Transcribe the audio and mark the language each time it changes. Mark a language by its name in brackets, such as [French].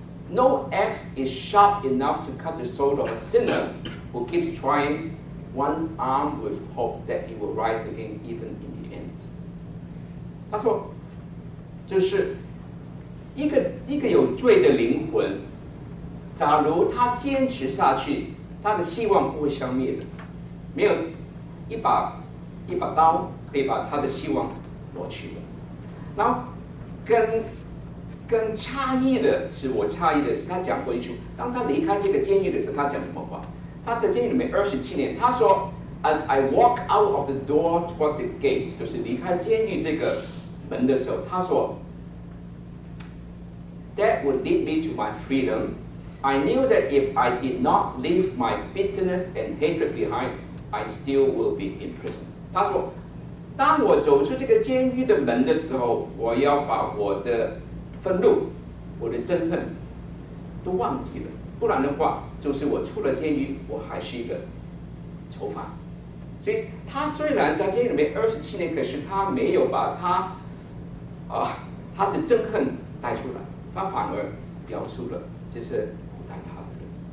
[English] No axe is sharp enough to cut the soul of a sinner who keeps trying, one armed with hope that he will rise again even in the end.” [Chinese] 他说，就是一个有罪的灵魂，假如他坚持下去，他的希望不会消灭的，没有一把刀可以把他的希望夺去了。然后更诧异的是，我诧异的是他讲过一句，当他离开这个监狱的时候，他讲什么话？他在监狱里面27年，他说 [English] ：“As I walk out of the door toward the gate， [Chinese] 就是离开监狱这个门的时候，他说 [English] ：‘That would lead me to my freedom. I knew that if I did not leave my bitterness and hatred behind, I still will be in prison.’” [Chinese] 他说，当我走出这个监狱的门的时候，我要把我的愤怒，我的憎恨都忘记了，不然的话就是我出了监狱我还是一个囚犯。所以他虽然在监狱里面27年，可是他没有把他的憎恨带出来，他反而表述了这是苦待他的人。